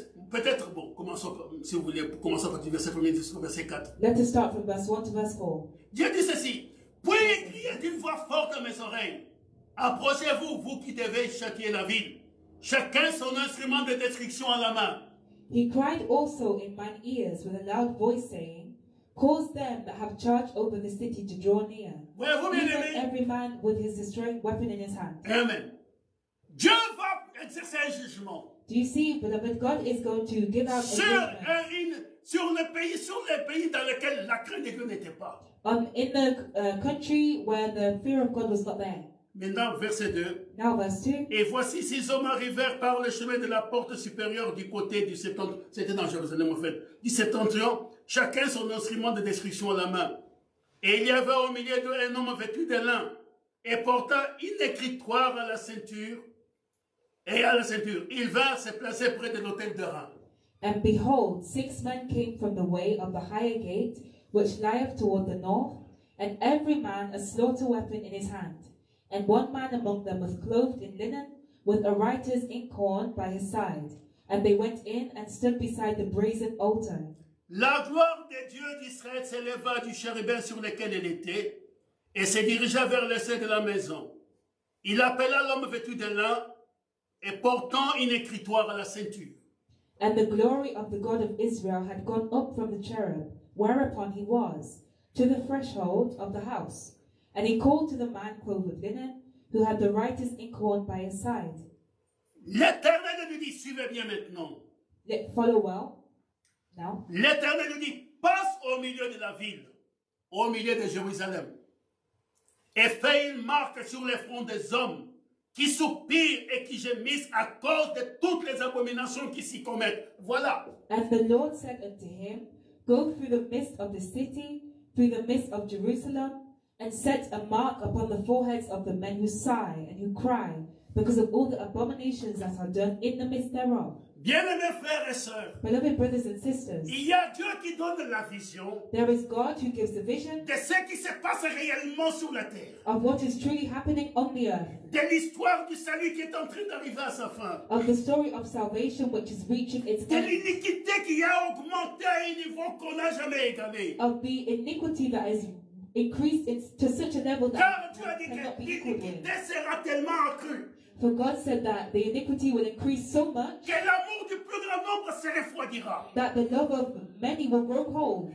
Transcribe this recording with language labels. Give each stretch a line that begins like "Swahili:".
French: Peut-être, bon, commençons par, si vous voulez, commençons par du verset 1er jusqu'au verset 4.
English: Let us start from verse 1 to verse 4.
French: Dieu dit ceci. Puis criez d'une voix forte à mes oreilles. Approchez-vous, vous qui devez châtier la ville. Chacun son instrument de destruction à la main.
English: He cried also in mine ears with a loud voice saying, cause them that have charge over the city to draw near. Every man with his destroying weapon in his hand.
French: Amen. Dieu va exercer un jugement.
English: Do you see, beloved, God is going to give out
French: sur
English: a judgment.
French: Sur les pays dans lesquels la crainte de Dieu n'était pas.
English: In the country where the fear of God was not there.
French: Maintenant, verset 2.
English: Now verse 2.
French: Et voici ces hommes arrivèrent par le chemin de la porte supérieure du côté du septentrion. C'était dans Jérusalem en fait. Du septentrion. Chacun son instrument de destruction à la main. Et il y avait au milieu d'eux un homme vêtu de lin et portant une écritoire à la ceinture. Il vint se placer près de l'autel de Ram.
English: And behold, six men came from the way of the higher gate, which lieth toward the north, and every man a slaughter weapon in his hand. And one man among them was clothed in linen, with a writer's inkhorn by his side. And they went in and stood beside the brazen altar.
French: La gloire des dieux d'Israël s'éleva du chérubin sur lequel elle était et se dirigea vers le sein de la maison. Il appela l'homme vêtu de lin et portant une écritoire à la ceinture.
English: And the glory of the God of Israel had gone up from the cherub, whereupon he was, to the threshold of the house. And he called to the man clothed with linen, who had the writer's inkhorn by his side.
French: L'Éternel lui dit, suivez bien maintenant.
English: Follow well. Now.
French: L'Éternel lui dit, passe au milieu de la ville, au milieu de Jérusalem, et fais une marque sur le front des hommes qui soupirent et qui gémissent à cause de toutes les abominations qui s'y commettent. Voilà.
English: And the Lord said unto him, go through the midst of the city, through the midst of Jerusalem, and set a mark upon the foreheads of the men who sigh and who cry because of all the abominations that are done in the midst thereof.
French: Bien-aimés frères et sœurs,
English: beloved brothers and sisters,
French: il y a Dieu qui donne la vision.
English: There is God who gives the vision
French: de ce qui se passe réellement sur la terre.
English: Of what is truly happening on the earth.
French: De l'histoire du salut qui est en train d'arriver à sa fin.
English: Of the story of salvation which is reaching its end.
French: De l'iniquité qui a augmenté à un niveau qu'on n'a jamais égalé.
English: Of the iniquity that is increased to such a level that
French: car Dieu a dit que l'iniquité sera tellement accrue.
English: For God said that the iniquity will increase so much
French: que l'amour du plus grand nombre se refroidira.
English: That the love of many will grow cold.